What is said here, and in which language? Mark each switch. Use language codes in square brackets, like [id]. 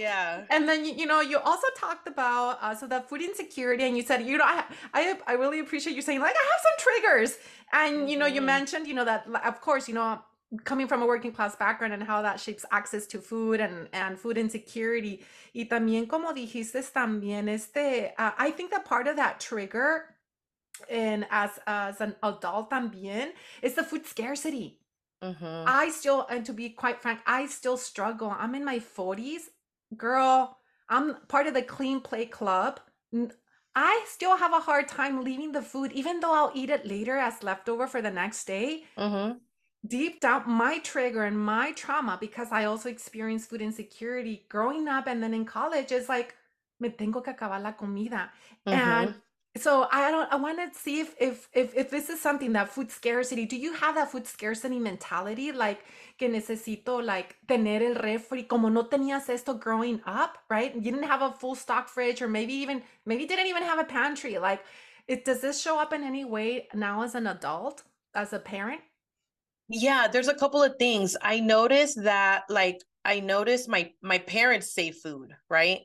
[en] Yeah. And then, you know, you also talked about so the food insecurity, and you said, you know, I really appreciate you saying, like, I have some triggers. And you know, you mentioned, you know, that of course, you know, coming from a working class background and how that shapes access to food and food insecurity. [es] Y también, como dijiste, también [en] I think that part of that trigger, and as an adult [es] también, [en] is the food scarcity. I still, and to be quite frank, I still struggle. I'm in my 40s. Girl, I'm part of the clean play club. I still have a hard time leaving the food, even though I'll eat it later as leftover for the next day. Deep down, my trigger and my trauma, because I also experienced food insecurity growing up and then in college, is like, [es] me tengo que acabar la comida. [en] And so I want to see if this is something, that food scarcity. Do you have that food scarcity mentality? [es] Like, que necesito, like, tener el refri, como no tenías esto [en] growing up, right? You didn't have a full stock fridge, or maybe didn't even have a pantry. Like, does this show up in any way now as an adult, as a parent? Yeah, there's a couple of things. I noticed that, like, I noticed my parents save food, right?